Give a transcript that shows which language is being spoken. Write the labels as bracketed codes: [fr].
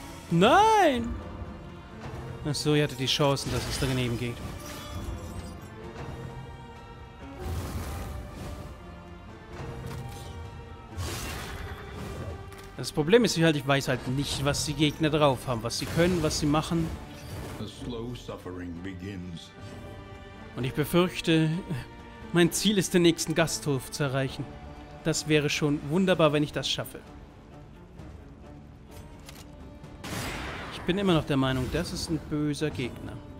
[de] Nein! Achso, ihr hattet die Chancen, dass es daneben geht. Das Problem ist, ich weiß halt nicht, was die Gegner drauf haben. Was sie können, was sie machen... [en] The slow suffering begins. [de] Und ich befürchte, mein Ziel ist, den nächsten Gasthof zu erreichen. Das wäre schon wunderbar, wenn ich das schaffe. Ich bin immer noch der Meinung, das ist ein böser Gegner.